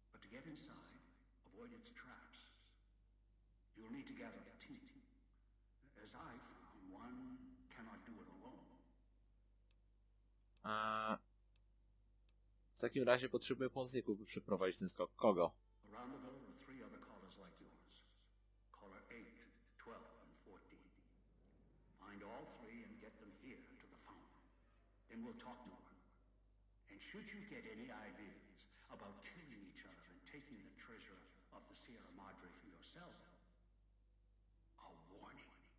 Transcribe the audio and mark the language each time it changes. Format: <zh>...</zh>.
<en>Get inside, avoid its traps. You'll need to gather a team. As I found, one cannot do it alone.</en> <pl>W takim razie potrzebuję pomocników, by przeprowadzić ten skok. Kogo?</pl> <en>Around the world are three other collars like yours. Collar 8, 12, and 14. Find all three and get them here to the fountain. Then we'll talk to them. And should you get any ideas about killing each other, taking the treasure of the Sierra Madre for yourself. A warning.</en>